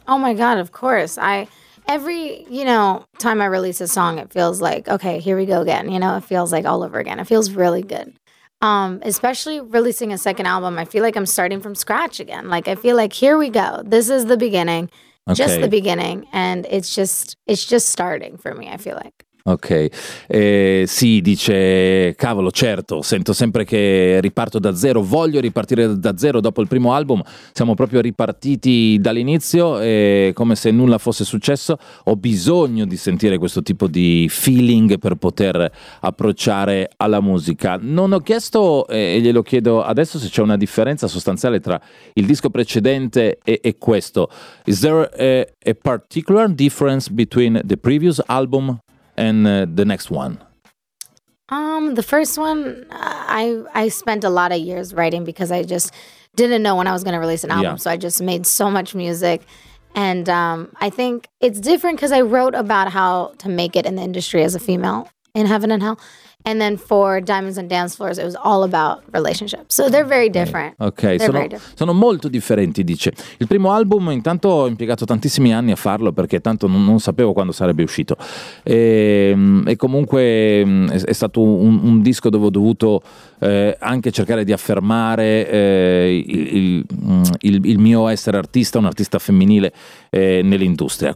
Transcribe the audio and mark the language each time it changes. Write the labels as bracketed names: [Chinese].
[English] Oh my God, of course. Every time I release a song, it feels like, okay, here we go again. You know, it feels like all over again. It feels really good. Especially releasing a second album, I feel like I'm starting from scratch again. Like, I feel like, here we go. This is the beginning, okay. Just the beginning. And it's just starting for me, I feel like. [Italian] Ok, sì, dice, cavolo, certo, sento sempre che riparto da zero, voglio ripartire da zero dopo il primo album, siamo proprio ripartiti dall'inizio, come se nulla fosse successo, ho bisogno di sentire questo tipo di feeling per poter approcciare alla musica. Non ho chiesto, e glielo chiedo adesso, se c'è una differenza sostanziale tra il disco precedente e questo. [English] Is there a particular difference between the previous album and the next one? The first one, I spent a lot of years writing because I just didn't know when I was going to release an album. Yeah. So I just made so much music. And I think it's different because I wrote about how to make it in the industry as a female in Heaven and Hell. And then for Diamonds and Dance Floors, it was all about relationships. So they're very different. [Italian] Okay, sono molto differenti, dice. Il primo album, intanto ho impiegato tantissimi anni a farlo perché tanto non sapevo quando sarebbe uscito. E comunque è stato un disco dove ho dovuto anche cercare di affermare il mio essere artista, un artista femminile nell'industria.